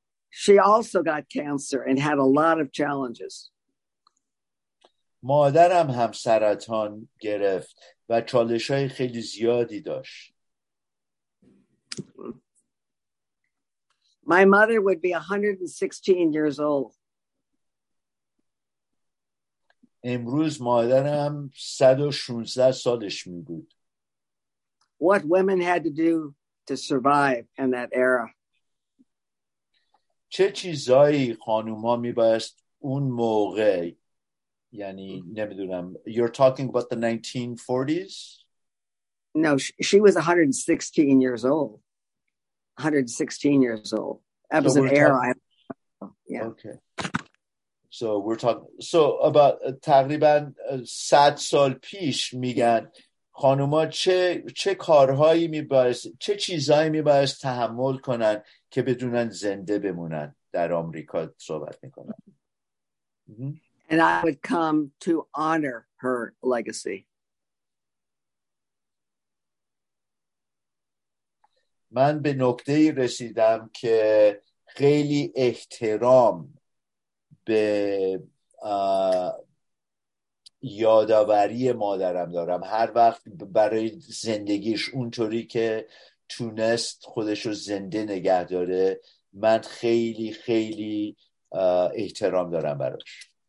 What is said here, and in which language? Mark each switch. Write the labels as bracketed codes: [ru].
[en] She also got cancer and had a lot of challenges. [fa] مادرم هم سرطان گرفت و چالش‌های خیلی زیادی داشت. [en] My mother would be 116 years old. [fa] امروز مادرم 116 سالش می بود. [en] What women had to do to survive in that era. [fa] چه چیزایی خانوم ها می بایست اون موقع، یعنی نمیدونم. [en] You're talking about the 1940s? No, she was 116 years old. 116 years old. That was an era. Yeah. Okay. So we're talking. So about [fa] تقریباً 100 سال پیش میگن خانوما چه کارهایی میبایست، چه چیزایی میبایست تحمل کنن که بدونن زنده بمونن. در آمریکا صحبت میکنن. [en] And I would come to honor her legacy. [fa] من به نقطه ای رسیدم که خیلی احترام به یاداوری مادرم دارم. هر وقت برای زندگیش اونطوری که تونست خودش رو زنده نگه داره، من خیلی خیلی احترام دارم براش.